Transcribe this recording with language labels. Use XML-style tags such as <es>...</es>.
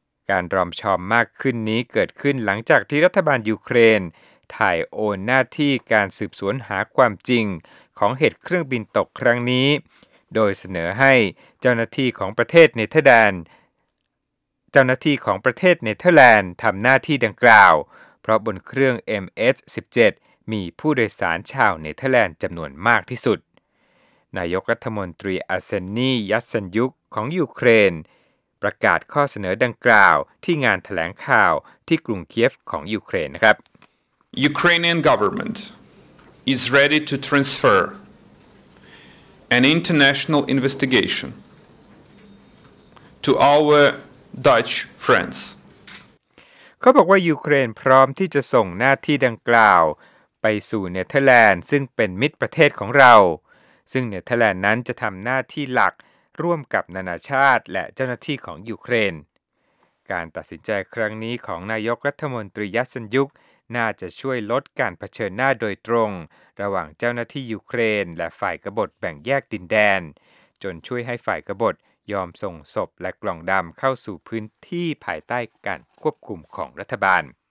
<th>การรอมชอมมากขึ้นนี้เกิดขึ้นหลังจากที่รัฐบาลยูเครนถ่ายโอนหน้าที่การสืบสวนหาความจริงของเหตุเครื่องบินตกครั้งนี้โดยเสนอให้เจ้าหน้าที่ของประเทศเนเธอร์แลนด์ทำหน้าที่ดังกล่าวเพราะบนเครื่อง MH17 มีผู้โดยสารชาวเนเธอร์แลนด์จำนวนมากที่สุด นายกรัฐมนตรีอาเซนีย์ยัตเซนยุกของยูเครนประกาศข้อเสนอดังกล่าวที่งานแถลงข่าวที่กรุงเคียฟของยูเครนนะครับ</th> <en>Ukrainian government is ready to transfer an international investigation to our Dutch friends</en> <th>เขาบอกว่ายูเครนพร้อมที่จะส่งหน้าที่ดังกล่าวไปสู่เนเธอร์แลนด์ซึ่งเป็นมิตรประเทศของเราซึ่งเนเธอร์แลนด์นั้นจะทำหน้าที่หลักร่วมกับนานาชาติและเจ้าหน้าที่ของยูเครน การตัดสินใจครั้งนี้ของนายกรัฐมนตรียัตเซนยุกน่าจะช่วยลดการเผชิญหน้าโดยตรงระหว่างเจ้าหน้าที่ยูเครนและฝ่ายกบฏแบ่งแยกดินแดนจนช่วยให้ฝ่ายกบฏยอมส่งศพและกล่องดำเข้าสู่พื้นที่ภายใต้การควบคุมของรัฐบาล</th>